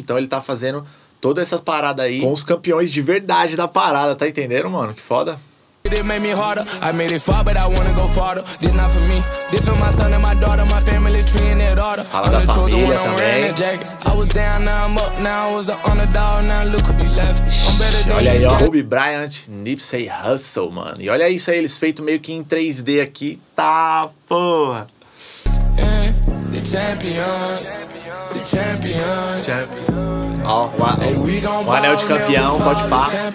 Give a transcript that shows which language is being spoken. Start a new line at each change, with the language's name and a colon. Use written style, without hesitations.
Portuguese: Então ele tá fazendo todas essas paradas aí com os campeões de verdade da parada, tá entendendo, mano? Que foda.
English: It made me harder, I made it far, but I wanna go farther. This not for me, this for my son and my daughter. My family tree in that order.
Portuguese: Fala da família também.
English: I was down, now I'm up, now I was the underdog. Now look who be left. I'm better than.
Portuguese: Olha aí, ó, Kobe Bryant, Nipsey Hussle, mano. E olha isso aí, eles feito meio que em 3D aqui. Tá, porra.
English: The champions, the champions, champions.
Portuguese: Ó, o anel de campeão, pode pá.